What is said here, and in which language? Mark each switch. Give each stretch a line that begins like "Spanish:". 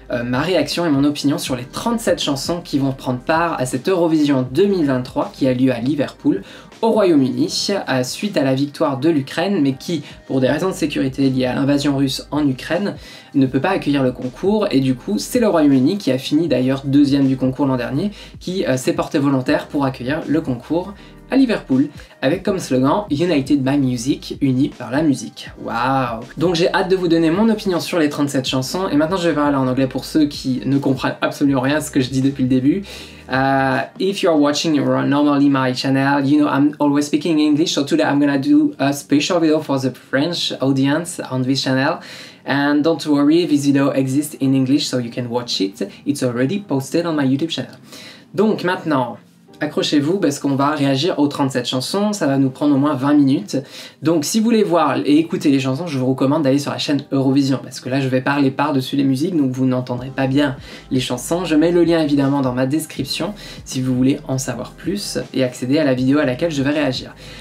French: ma réaction et mon opinion sur les 37 chansons qui vont prendre part à cette Eurovision 2023 qui a lieu à Liverpool, au Royaume-Uni, suite à la victoire de l'Ukraine, mais qui, pour des raisons de sécurité liées à l'invasion russe en Ukraine, ne peut pas accueillir le concours, et du coup, c'est le Royaume-Uni qui a fini d'ailleurs deuxième du concours l'an dernier, qui s'est porté volontaire pour accueillir le concours à Liverpool, avec comme slogan « United by Music, unis par la musique ». Waouh ! Donc j'ai hâte de vous donner mon opinion sur les 37 chansons, et maintenant je vais parler en anglais pour ceux qui ne comprennent absolument rien à ce que je dis depuis le début.
English: If you're watching normally my channel, you know I'm always speaking English, so today I'm gonna do a special video for the French audience on this channel. And don't worry, this video exists in English, so you can watch it. It's already posted on my YouTube channel.
French: Donc maintenant, accrochez-vous parce qu'on va réagir aux 37 chansons, ça va nous prendre au moins 20 minutes. Donc si vous voulez voir et écouter les chansons, je vous recommande d'aller sur la chaîne Eurovision parce que là je vais parler par-dessus les musiques, donc vous n'entendrez pas bien les chansons. Je mets le lien évidemment dans ma description si vous voulez en savoir plus et accéder à la vidéo à laquelle je vais réagir.